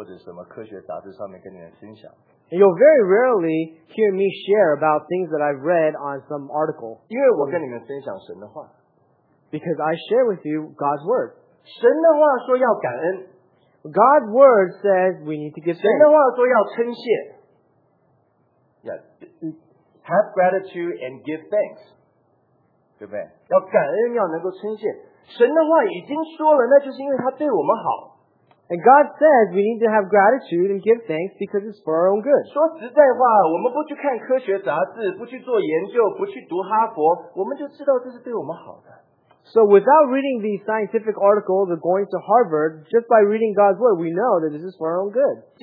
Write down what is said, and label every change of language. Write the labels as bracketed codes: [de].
[zh] 很少，基本上从来不会听我从什么哈佛医学院或者什么科学杂志上面跟你们分享。You'll [en] very rarely hear me share about things that I've read on some article. [zh] 因为我跟你们分享神的话。Because [en] I share with you God's word. [zh] 神的话说要感恩。God's [en] word says we need to give thanks. [zh] 神的话说要称谢。 [en] Yeah, have gratitude and give thanks. [zh] 对不对？要感恩，要能够称谢。神的话已经说了，那就是因为他对我们好。 [en] And God says we need to have gratitude and give thanks because it's for our own good. [zh] 说实在话，我们不去看科学杂志，不去做研究，不去读哈佛，我们就知道这是对我们好的。 [en] So without reading these scientific articles or going to Harvard, just by reading God's word, we know that this is for our own good.